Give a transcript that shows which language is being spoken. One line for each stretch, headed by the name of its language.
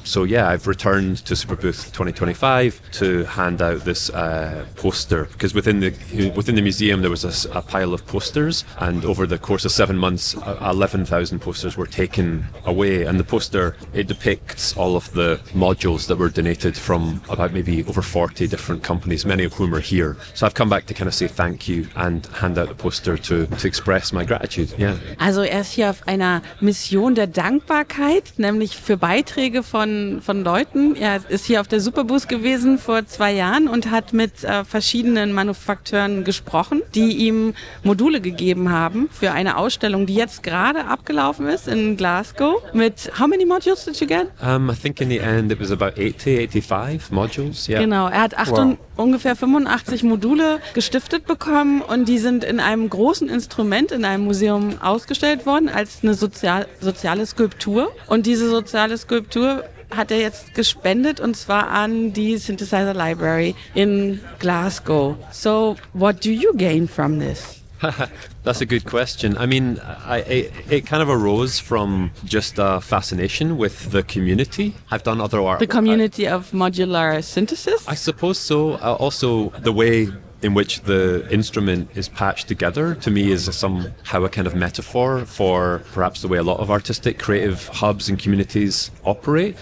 English: So yeah, I've returned to Superbooth 2025 to hand out this poster, because within the museum there was a pile of posters, and over the course of 7 months, 11,000 posters were taken away, and the poster, it depicts all of the modules that were donated from about maybe over 40 different companies, many of whom are here. So I've come back to kind of say thank you and hand out the poster to express my gratitude. Yeah.
German: Also er ist hier auf einer Mission der Dankbarkeit, nämlich für Beiträge von Leuten. Er ist hier auf der Superbus gewesen vor 2 Jahren und hat mit verschiedenen Manufakteuren gesprochen, die ihm Module gegeben haben für eine Ausstellung, die jetzt gerade abgelaufen ist in Glasgow. Mit
English: how many modules did you get? I think in the end it was about 80, 85 modules. Yeah.
German: Genau, er hat ungefähr 85 Module gestiftet bekommen und die sind in einem großen Instrument in einem Museum ausgestellt worden als eine soziale Skulptur. Und diese soziale Skulptur hat er jetzt gespendet, und zwar an die Synthesizer Library in Glasgow.
English: So, what do you gain from this? That's a good question. I mean, it kind of arose from just a fascination with the community. I've done other art. The community of modular synthesis? I suppose so. Also, the way in which the instrument is patched together, to me, is somehow a kind of metaphor for perhaps the way a lot of artistic, creative hubs and communities operate.